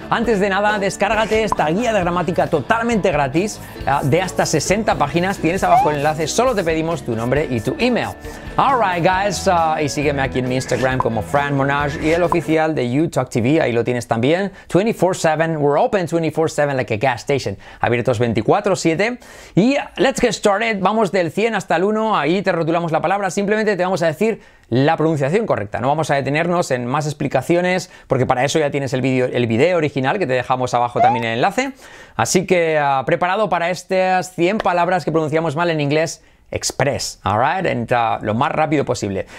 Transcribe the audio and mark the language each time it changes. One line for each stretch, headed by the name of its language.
Spanish: Antes de nada, descárgate esta guía de gramática totalmente gratis de hasta 60 páginas. Tienes abajo el enlace, solo te pedimos tu nombre y tu email.
English: Alright guys,
Spanish: y sígueme aquí en mi Instagram como Fran Monage y el oficial de YouTalk TV, ahí lo tienes también.
English: 24/7, we're open 24/7 like a gas station.
Spanish: Abiertos 24/7. Y
English: let's get started,
Spanish: vamos del 100 hasta el 1, ahí te rotulamos la palabra. Simplemente te vamos a decir la pronunciación correcta. No vamos a detenernos en más explicaciones, porque para eso ya tienes el video original que te dejamos abajo también el enlace. Así que preparado para estas 100 palabras que pronunciamos mal en inglés, express, alright, entra lo más rápido posible.